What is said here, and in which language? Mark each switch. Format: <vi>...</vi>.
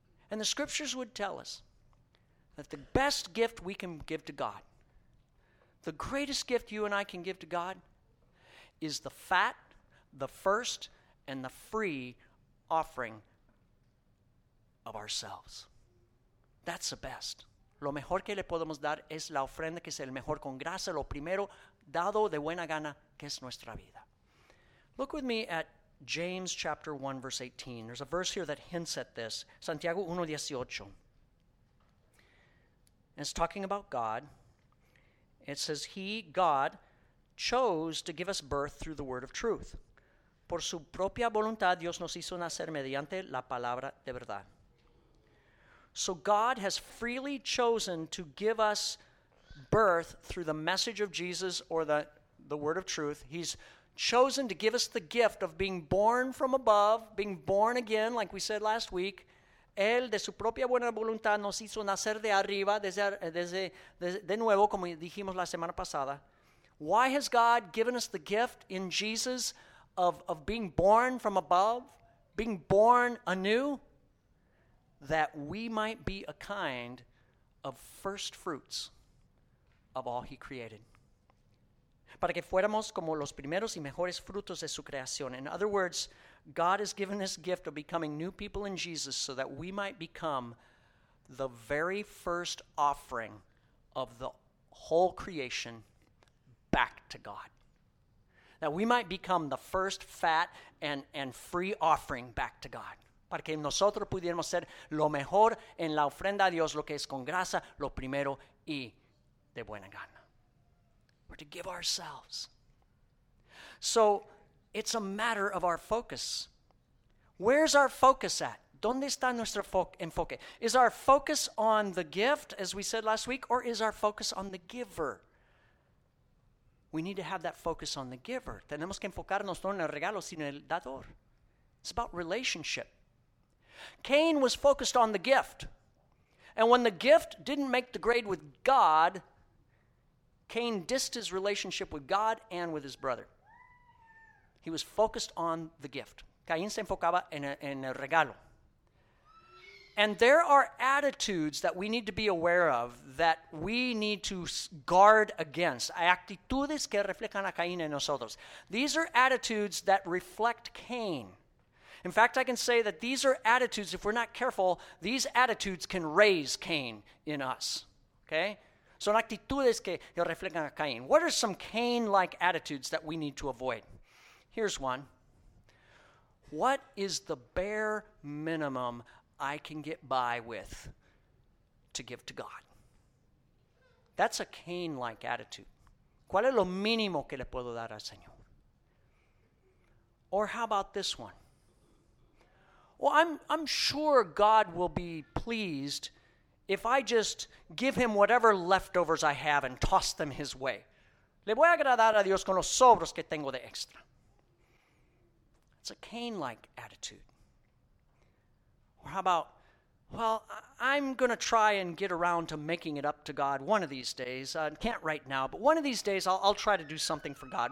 <en>And the scriptures would tell us that the best gift we can give to God, the greatest gift you and I can give to God, is the fat, the first, and the free offering of ourselves. That's the best.</en> <es>Lo mejor que le podemos dar es la ofrenda que es el mejor con grasa, lo primero dado de buena gana que es nuestra vida.</es> <en>Look with me at James chapter 1 verse 18. There's a verse here that hints at this.</en> <es>Santiago 1:18.</es> <en>It's talking about God. It says, he, God, chose to give us birth through the word of truth.</en> <es>Por su propia voluntad, Dios nos hizo nacer mediante la palabra de verdad.</es> <en>So God has freely chosen to give us birth through the message of Jesus or the word of truth. He's chosen to give us the gift of being born from above, being born again, like we said last week.</en> <es>Él, de su propia buena voluntad, nos hizo nacer de arriba, de nuevo, como dijimos la semana pasada.</es> <en>Why has God given us the gift in Jesus of being born from above, being born anew? That we might be a kind of first fruits of all he created.</en> <es>Para que fuéramos como los primeros y mejores frutos de su creación.</es> <en>In other words, God has given this gift of becoming new people in Jesus so that we might become the very first offering of the whole creation back to God. That we might become the first fat and free offering back to God.</en> <es>Para que nosotros pudiéramos ser lo mejor en la ofrenda a Dios, lo que es con grasa, lo primero y de buena gana.</es> <en>We're to give ourselves. So, it's a matter of our focus. Where's our focus at?</en> <es>¿Dónde está nuestro enfoque?</es> <en>Is our focus on the gift, as we said last week, or is our focus on the giver? We need to have that focus on the giver.</en> <es>Tenemos que enfocarnos no en el regalo, sino en el dador.</es> <en>It's about relationship. Cain was focused on the gift. And when the gift didn't make the grade with God, Cain dissed his relationship with God and with his brother. He was focused on the gift.</en> <es>Cain se enfocaba en el regalo.</es> <en>And there are attitudes that we need to be aware of that we need to guard against.</en> <es>Hay actitudes que reflejan a Cain en nosotros.</es> <en>These are attitudes that reflect Cain. In fact, I can say that these are attitudes, if we're not careful, these attitudes can raise Cain in us, okay?</en> <es>Son actitudes que reflejan a Cain.</es> <en>What are some Cain-like attitudes that we need to avoid? Here's one. What is the bare minimum I can get by with to give to God? That's a Cain-like attitude.</en> <es>¿Cuál es lo mínimo que le puedo dar al Señor?</es> <en>Or how about this one? Well, I'm sure God will be pleased if I just give him whatever leftovers I have and toss them his way.</en> <es>Le voy a agradar a Dios con los sobros que tengo de extra.</es> <en>It's a Cain-like attitude. Or how about, well, I'm going to try and get around to making it up to God one of these days. Can't right now, but one of these days I'll try to do something for God.</en>